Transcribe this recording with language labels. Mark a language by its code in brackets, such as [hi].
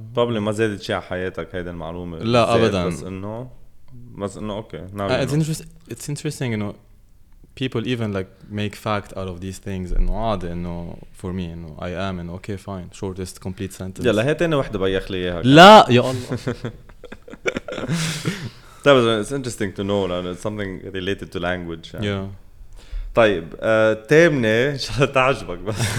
[ar] Probably ما زادت شيء على حياتك هيدا المعلومة. لا أبداً. بس إنه okay. [en] Now you know. It's interesting. You know, people even like make fact out of these things. [ar] إنه عادي إنه [en] for me إنه I am and okay fine shortest complete sentence. [ar] يلا هي تاني واحدة بيخ لي إياها. لا يا الله. [en] That was it's interesting to know and it's something related to language. [ar] يعني. Yeah. طيب تامنة إن شاء الله تعجبك بس.